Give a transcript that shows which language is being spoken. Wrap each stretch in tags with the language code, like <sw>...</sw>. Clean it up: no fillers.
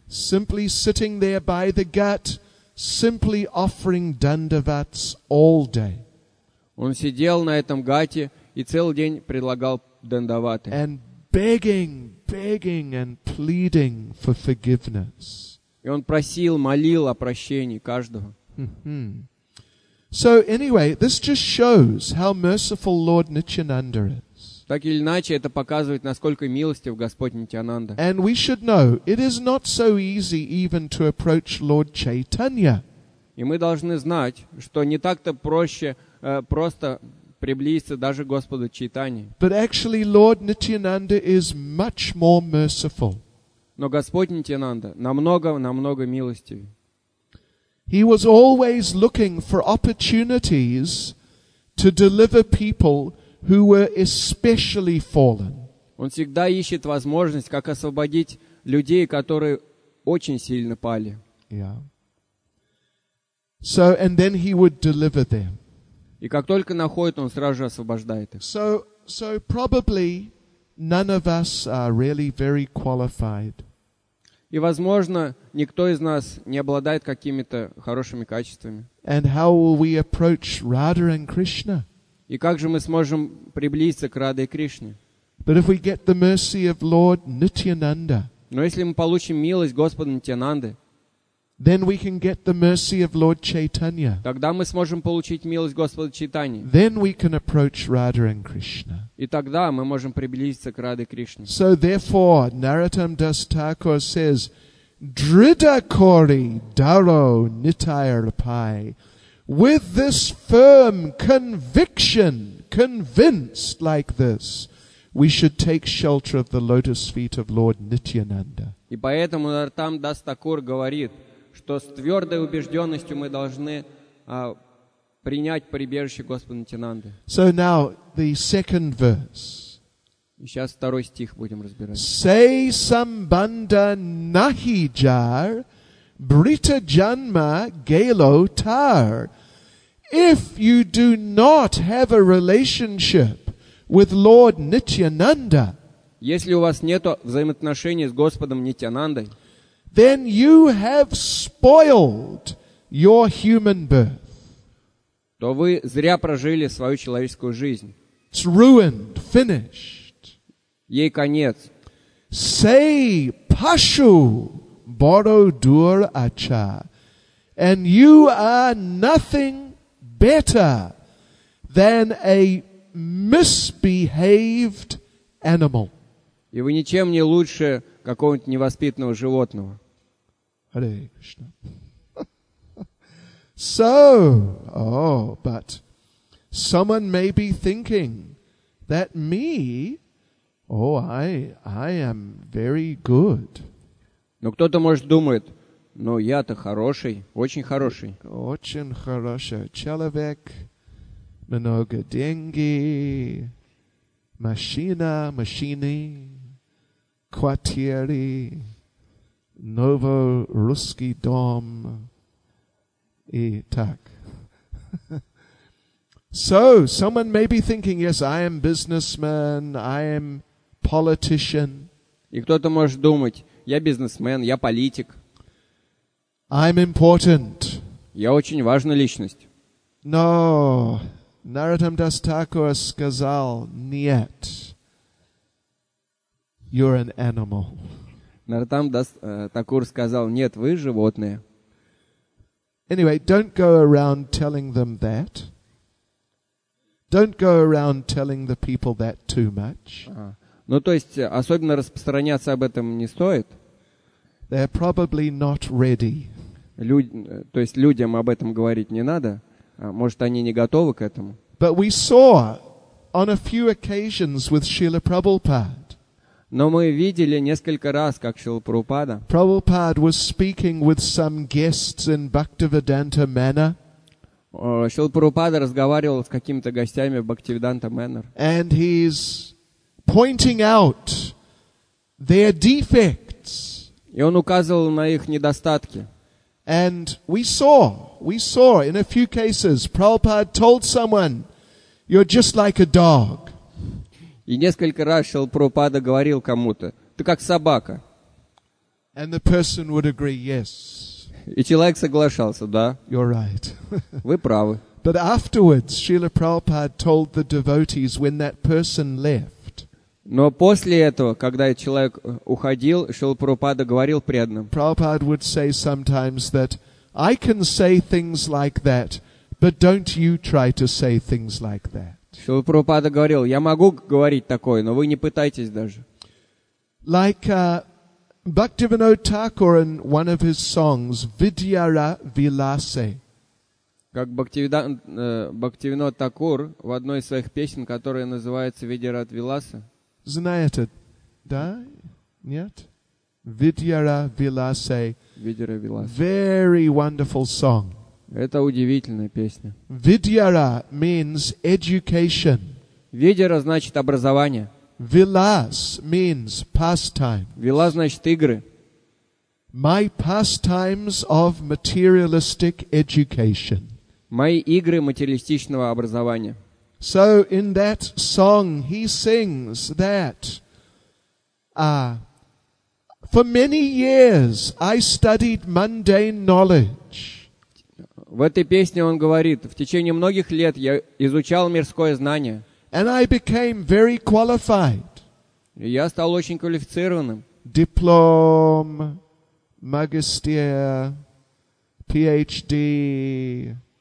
<en>Simply sitting there by the ghat, simply offering dandavats all day.</en> <ru>Он сидел на этом гате и целый день предлагал дандаваты.</ru> <en>And begging and pleading for forgiveness.</en> <ru>И он просил, молил о прощении каждого.</ru> <en>So anyway, this just shows how merciful Lord Nityananda is.</en> <ru>Так или иначе, это показывает, насколько милостив Господь Нитьянанда.</ru> <en>And we should know, it is not so easy even to approach Lord Chaitanya.</en> <ru>И мы должны знать, что не так-то проще просто приблизиться даже к Господу Чайтанье.</ru> <en>But actually, Lord Nityananda is much more merciful.</en> <ru>Но Господь Нитьянанда намного милостивее.</ru> <en>He was always looking for opportunities to deliver people who were especially fallen.</en> <ru>Он всегда ищет возможность, как освободить людей, которые очень сильно пали.</ru> <en>Yeah. So, and then he would deliver them.</en> <ru>И как только находит, он сразу же освобождает их.</ru> <en>So probably none of us are really very qualified.</en> <ru>И, возможно, никто из нас не обладает какими-то хорошими качествами.</ru> <en>And how will we approach Radha and Krishna?</en> <ru>И как же мы сможем приблизиться к Раде и Кришне?</ru> <en>But if we get the mercy of Lord Nityananda,</en> <ru>но если мы получим милость Господа Нитьянанды,</ru> <en>Then we can get the mercy of Lord Chaitanya.</en> <ru>Тогда мы сможем получить милость Господа Чайтаньи.</ru> <en>Then we can approach Radha and Krishna.</en> <ru>И тогда мы можем приблизиться к Раде и Кришне.</ru> <en>So therefore, Narottam Das Thakur says,</en> <bn>Drida Kori Daro Nitayarpai.</bn> <en>With this firm conviction, convinced like this, we should take shelter of the lotus feet of Lord Nityananda.</en> <ru>И поэтому Narottam Das Thakur говорит, что с твердой убежденностью мы должны принять прибежище Господа Нитянанды.</ru> <en>So now, the second verse.</en> <ru>Сейчас второй стих будем разбирать.</ru> <bn>Say sambanda nahi jar, brita janma gelo tar.</bn> <en>If you do not have a relationship with Lord Nityananda,</en> <ru>если у вас нет взаимоотношений с Господом Нитянандой,</ru> <en>then you have spoiled your human birth.</en> <ru>То вы зря прожили свою человеческую жизнь.</ru> <en>It's ruined, finished.</en> <ru>Ей конец.</ru> <en>Say</en> <bn>Pashu Borodur Acha,</bn> <en>and you are nothing better than a misbehaved animal.</en> <ru>И вы ничем не лучше какого-нибудь невоспитанного животного.</ru> <en>Hare Krishna. So, oh, but someone may be thinking that me, oh, I am very good.</en> <ru>Но кто-то может думать, ну я-то хороший, очень хороший. Очень хороший человек, много деньги, машина, машины, квартиры. Novo Ruski Dom и так.</ru> <en>So, someone may be thinking, yes, I am businessman, I am politician.</en> <ru>И кто-то может думать, я бизнесмен, я политик.</ru> <en>I'm important.</en> <ru>Я очень важная личность.</ru> <en>No, Narottam Das Thakur</en> <ru>сказал, нет,</ru> <en>you're an animal.</en> <ru>Narottam Das Thakur сказал, нет, вы животные.</ru> <en>Anyway, don't go around telling them that. Don't go around telling the people that too much.</en> <ru>Ну, то есть, особенно распространяться об этом не стоит.</ru> <en>They're probably not ready.</en> <ru>То есть, людям об этом говорить не надо. Может, они не готовы к этому.</ru> <en>But we saw on a few occasions with Srila Prabhupada.</en> <ru>Но мы видели несколько раз, как Шрила Прабхупада.</ru> <en>Prabhupada was speaking with some guests in Bhaktivedanta Manor.</en> <ru>Шрила Прабхупада разговаривал с какими-то гостями в Bhaktivedanta Manor.</ru> <en>And he's pointing out their defects.</en> <ru>И он указывал на их недостатки.</ru> <en>And we saw in a few cases, Prabhupada told someone, "You're just like a dog."</en> <ru>И несколько раз Шрила Прабхупада говорил кому-то, ты как собака.</ru> <en>And the person would agree, yes.</en> <ru>И человек соглашался, да.</ru> <en>You're right.</en> <ru>Вы правы.</ru> <en>But afterwards, Srila Prabhupada told the devotees when that person left.</en> <ru>Но после этого, когда человек уходил, Шрила Прабхупада говорил преданным.</ru> <en>Prabhupada would say sometimes that I can say things like that, but don't you try to say things like that.</en> <ru>Шрила Прабхупада говорил, я могу говорить такое, но вы не пытайтесь даже.</ru> <en>Like Bhaktivinoda Thakur in one of his songs, Vidyara Vilase.</en> <ru>Как Бхактивинода Такур в одной из своих песен, которая называется Vidyara Vilase. Знаете, да? Нет? Vidyara Vilase. Vidyara Vilase.</ru> <en>Very wonderful song.</en> <ru>Это удивительная песня.</ru> <en>Vidyara means education.</en> <ru>Vidyara значит образование.</ru> <en>Vilas means pastime.</en> <ru>Vilas значит игры.</ru> <en>My pastimes of materialistic education.</en> <ru>Мои игры материалистичного образования.</ru> <en>So in that song he sings that for many years I studied mundane knowledge.</en> <ru>В этой песне он говорит, в течение многих лет я изучал мирское знание.</ru> <en>And I became very qualified.</en> <ru>И я стал очень квалифицированным. Диплом, магистер, PhD.</ru>